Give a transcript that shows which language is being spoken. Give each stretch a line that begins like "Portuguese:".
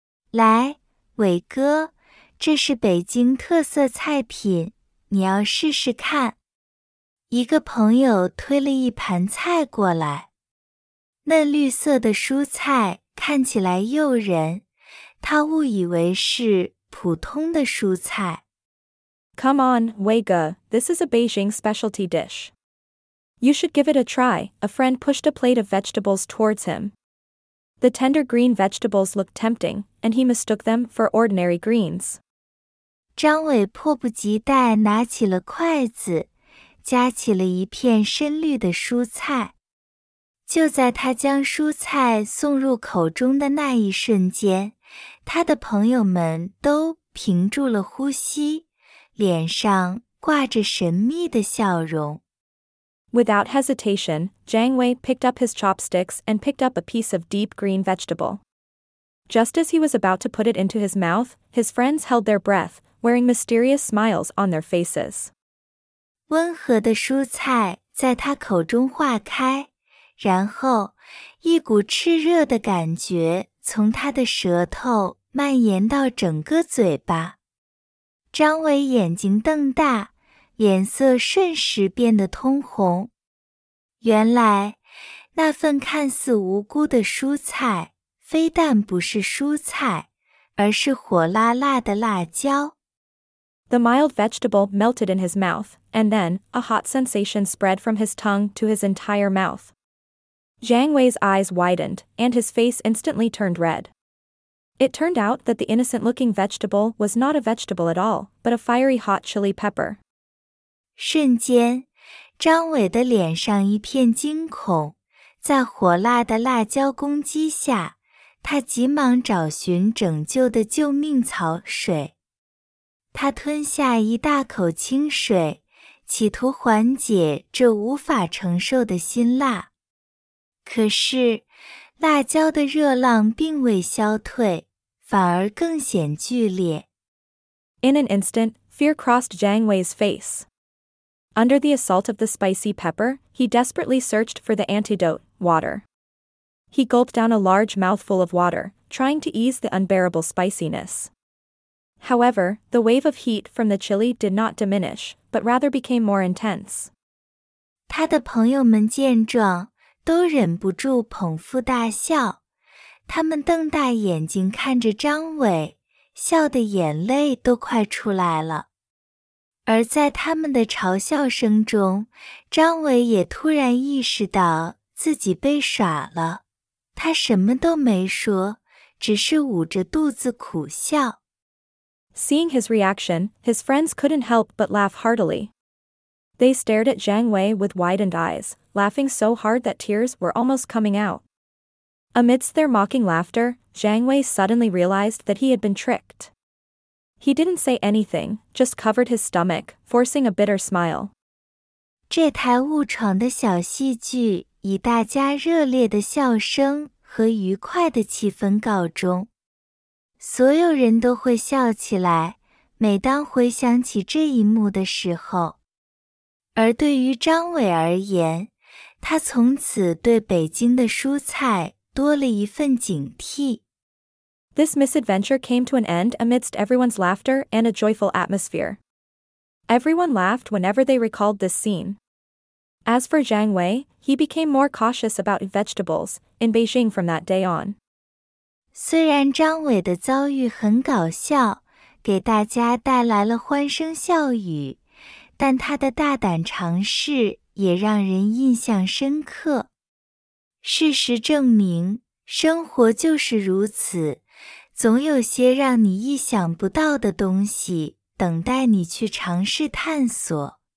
Chinese: 来，伟哥，这是北京特色菜品，你要试试看。一个朋友推了一盘菜过来。嫩绿色的蔬菜看起来诱人，他误以为是普通的蔬菜。
English: Come on, Weige, this is a Beijing specialty dish. You should give it a try, a friend pushed a plate of vegetables towards him. The tender green vegetables looked tempting, and he mistook them for ordinary greens.
Chinese: 张伟迫不及待拿起了筷子，夹起了一片深绿的蔬菜。就在他将蔬菜送入口中的那一瞬间，他的朋友们都屏住了呼吸，脸上挂着神秘的笑容。
English: Without hesitation, Zhang Wei picked up his chopsticks and picked up a piece of deep green vegetable. Just as he was about to put it into his mouth, his friends held their breath, wearing mysterious smiles on their faces.
Chinese: 温和的蔬菜在他口中化开，然后一股炽热的感觉从他的舌头蔓延到整个嘴巴。张伟眼睛瞪大，脸色瞬时变得通红。原来，那份看似无辜的蔬菜，非但不是蔬菜，而是火辣辣的辣椒。
English: The mild vegetable melted in his mouth, and then, a hot sensation spread from his tongue to his entire mouth. Zhang Wei's eyes widened, and his face instantly turned red. It turned out that the innocent-looking vegetable was not a vegetable at all, but a fiery hot chili pepper.
Chinese: 瞬间，张伟的脸上一片惊恐，在火辣的辣椒攻击下，他急忙找寻拯救的救命草水。他吞下一大口清水，企图缓解这无法承受的辛辣。可是，辣椒的热浪并未消退，反而更显剧烈。
English: In an instant, fear crossed Zhang Wei's face. Under the assault of the spicy pepper, he desperately searched for the antidote, water. He gulped down a large mouthful of water, trying to ease the unbearable spiciness. However, the wave of heat from the chili did not diminish, but rather became more intense.
Chinese: 他的朋友们见状，都忍不住捧腹大笑。他们瞪大眼睛看着张伟，笑得眼泪都快出来了。而在他们的嘲笑声中，张伟也突然意识到自己被耍了。他什么都没说，只是捂着肚子苦笑。
English: Seeing his reaction, his friends couldn't help but laugh heartily. They stared at Zhang Wei with widened eyes, laughing so hard that tears were almost coming out. Amidst their mocking laughter, Zhang Wei suddenly realized that he had been tricked. He didn't say anything, just covered his stomach, forcing a bitter smile.
Chinese: 这台误闯的小戏剧以大家热烈的笑声和愉快的气氛告终。所有人都会笑起来，每当回想起这一幕的时候。而对于张伟而言，他从此对北京的蔬菜多了一份警惕。
English: This misadventure came to an end amidst everyone's laughter and a joyful atmosphere. Everyone laughed whenever they recalled this scene. As for Zhang Wei, he became more cautious about vegetables in Beijing from that day on.
Chinese: 虽然张伟的遭遇很搞笑，给大家带来了欢声笑语，但他的大胆尝试也让人印象深刻。事实证明，生活就是如此，总有些让你意想不到的东西等待你去尝试探索。